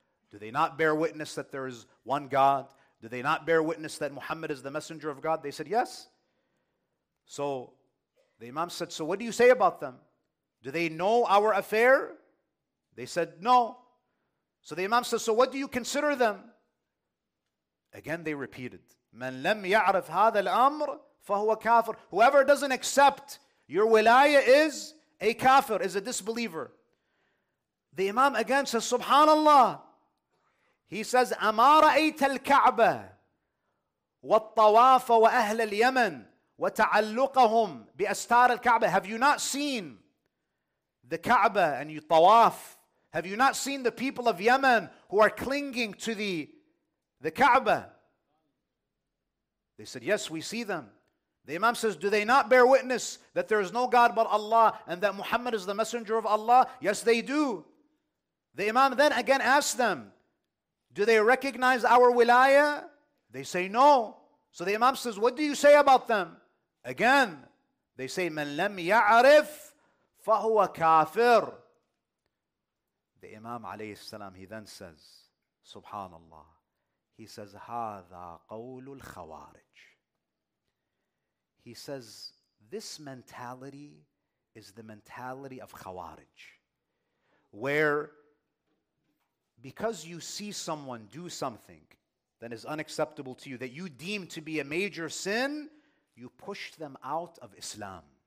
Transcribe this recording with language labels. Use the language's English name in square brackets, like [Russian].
[English] Do they not bear witness that there is one God? Do they not bear witness that Muhammad is the messenger of God? They said, yes. So the Imam said, so what do you say about them? Do they know our affair? They said, no. So the Imam says, so what do you consider them? Again, they repeated, [Arabic] مَنْ لَمْ يَعْرِفْ هَذَا الْأَمْرِ فَهُوَ كَافِرٌ. [English] Whoever doesn't accept your wilaya is a kafir, is a disbeliever. The Imam again says, SubhanAllah. He says, [Arabic] أَمَا رَأَيْتَ الْكَعْبَةِ وَالطَّوَافَ وَأَهْلَ الْيَمَنِ وَتَعَلُّقَهُمْ بِأَسْتَارِ الْكَعْبَةِ. [English] Have you not seen the Kaaba and you tawaf? Have you not seen the people of Yemen who are clinging to the Kaaba? They said, yes, we see them. The Imam says, do they not bear witness that there is no God but Allah and that Muhammad is the messenger of Allah? Yes, they do. The Imam then again asked them, do they recognize our wilaya? They say, no. So the Imam says, what do you say about them? Again, they say, [Arabic] مَنْ لَمْ يَعْرِفْ فَهُوَ كَافِرٌ. [English] The Imam alayhi salam, he then says, SubhanAllah. He says, [Arabic] هَذَا قَوْلُ الْخَوَارِجِ. [English] He says, this mentality is the mentality of Khawarij, where because you see someone do something that is unacceptable to you, that you deem to be a major sin, you push them out of Islam.